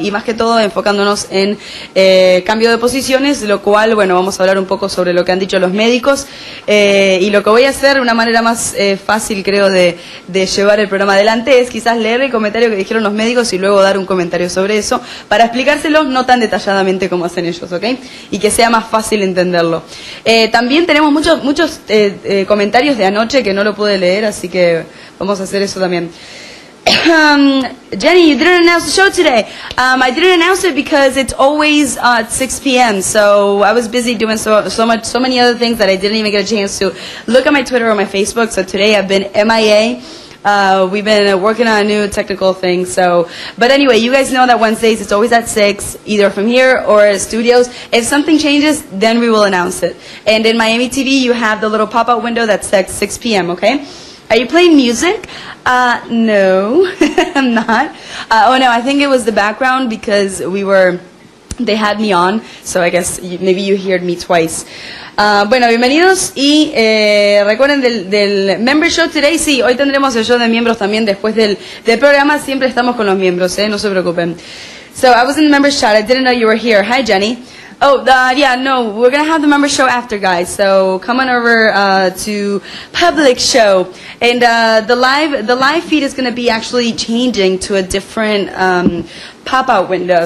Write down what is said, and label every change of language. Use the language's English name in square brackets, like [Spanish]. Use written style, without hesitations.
[Spanish] Y más que todo enfocándonos en cambio de posiciones, lo cual, bueno, vamos a hablar un poco sobre lo que han dicho los médicos, y lo que voy a hacer, una manera más fácil, creo, de llevar el programa adelante, es quizás leer el comentario que dijeron los médicos y luego dar un comentario sobre eso, para explicárselo no tan detalladamente como hacen ellos, ¿ok? Y que sea más fácil entenderlo. También tenemos muchos comentarios de anoche que no lo pude leer, así que vamos a hacer eso también. [English] Jenny, you didn't announce the show today. I didn't announce it because it's always at 6 p.m. So I was busy doing so many other things that I didn't even get a chance to look at my Twitter or my Facebook. So today I've been MIA. We've been working on a new technical thing. So, but anyway, you guys know that Wednesdays it's always at 6, either from here or at studios. If something changes, then we will announce it. And in Miami TV, you have the little pop-out window that says 6 p.m., okay? Are you playing music? No, I'm not. Oh no, I think it was the background because they had me on, so I guess maybe you heard me twice. [Spanish] Bueno, bienvenidos y recuerden del [English] member show today. [Spanish] Sí, hoy tendremos el show de miembros también después del programa. Siempre estamos con los miembros, no se preocupen. [English] So I was in the member chat. I didn't know you were here. Hi, Jenny. Oh, yeah, no, we're going to have the member show after, guys, so come on over to public show. And the live feed is going to be actually changing to a different pop-out window.